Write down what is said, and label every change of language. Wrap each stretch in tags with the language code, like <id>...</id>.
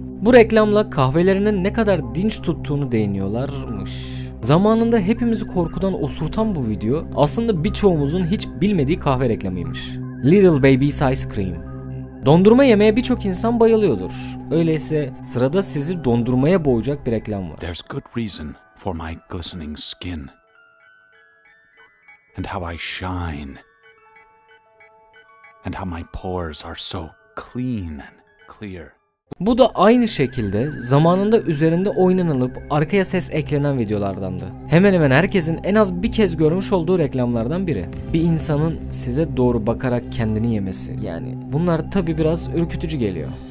<tr>Bu reklamla kahvelerinin ne kadar dinç tuttuğunu değiniyorlarmış. Zamanında hepimizi korkudan osurtan bu video aslında birçoğumuzun hiç bilmediği kahve reklamıymış. Little Baby's Ice Cream. Dondurma yemeye birçok insan bayılıyordur. Öyleyse sırada sizi dondurmaya boğacak bir reklam var.</tr> <en>There's good reason for my glistening skin and how I shine and how my pores are so clean and clear.</en> <tr>Bu da aynı şekilde zamanında üzerinde oynanılıp arkaya ses eklenen videolardandı. Hemen hemen herkesin en az bir kez görmüş olduğu reklamlardan biri. Bir insanın size doğru bakarak kendini yemesi. Yani bunlar tabi biraz ürkütücü geliyor.</tr>